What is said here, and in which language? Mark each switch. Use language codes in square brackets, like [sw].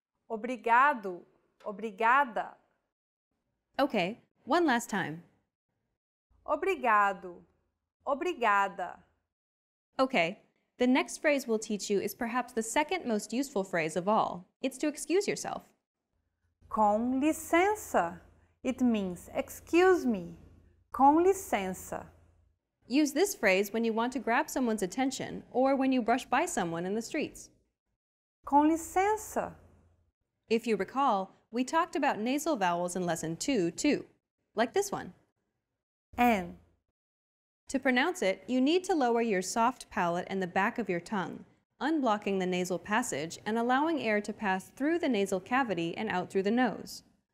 [pt] obrigado, obrigada. [en] Okay, one last time. [pt] Obrigado, obrigada. [en] Okay, the next phrase we'll teach you is perhaps the second most useful phrase of all. It's to excuse yourself. [pt] Com licença. [en] It means excuse me. Com licença. Use this phrase when you want to grab someone's attention or when you brush by someone in the streets. [pt] Com licença. [en] If you recall, we talked about nasal vowels in lesson 2, too, like this one. En. To pronounce it, you need to lower your soft palate and the back of your tongue, unblocking the nasal passage and allowing air to pass through the nasal cavity and out through the nose.